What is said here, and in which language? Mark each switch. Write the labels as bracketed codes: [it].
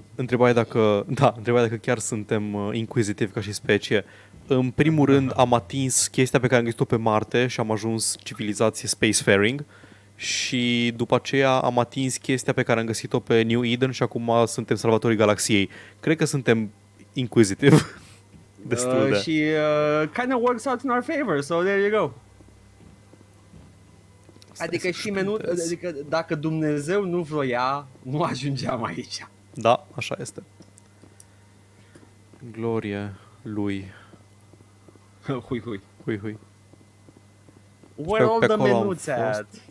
[ro] întrebai dacă chiar suntem inquisitive ca și specie. În primul rând am atins chestia pe care am găsit-o pe Marte și am ajuns civilizație spacefaring. Și după aceea am atins chestia pe care am găsit-o pe New Eden și acum suntem salvatorii galaxiei. Cred că suntem inquisitive. Destul de. [en] Și kind of works out in our favor, so there you go. [ro] Adică și menul, adică dacă Dumnezeu nu vroia, nu ajungeam aici. Da, așa este. Glorie lui. Hui. [en] Where all the menuts at?